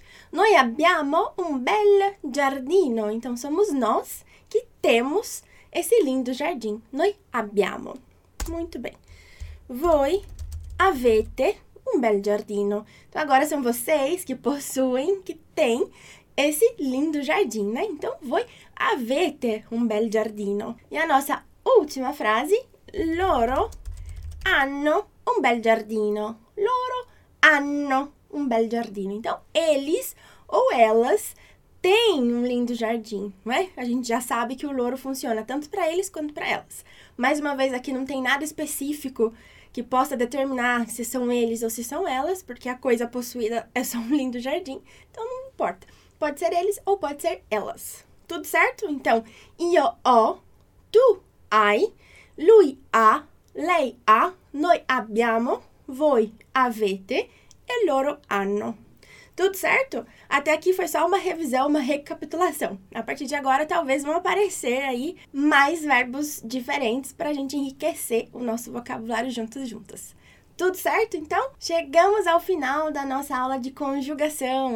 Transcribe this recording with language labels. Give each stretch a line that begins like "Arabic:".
Italian: Noi abbiamo un bel giardino.
Portuguese: Então, somos nós que temos esse lindo jardim.
Italian: Noi abbiamo.
Portuguese: Muito bem.
Italian: Voi avete un bel giardino.
Portuguese: Então, agora são vocês que possuem, que têm esse lindo jardim, né?
Italian: Então, voi avete un bel giardino.
Portuguese: E a nossa última frase:
Italian: loro hanno un bel giardino. Loro hanno un bel giardino.
Portuguese: Então, eles ou elas têm um lindo jardim, não é? A gente já sabe que o loro funciona tanto para eles quanto para elas. Mais uma vez, aqui não tem nada específico que possa determinar se são eles ou se são elas, porque a coisa possuída é só um lindo jardim. Então, não importa. Pode ser eles ou pode ser elas. Tudo certo?
Italian: Então, io ho, tu hai, lui ha, lei ha, noi abbiamo, voi avete e loro hanno.
Portuguese: Tudo certo? Até aqui foi só uma revisão, uma recapitulação. A partir de agora, talvez vão aparecer aí mais verbos diferentes para a gente enriquecer o nosso vocabulário juntos juntas. Tudo certo? Então, chegamos ao final da nossa aula de conjugação.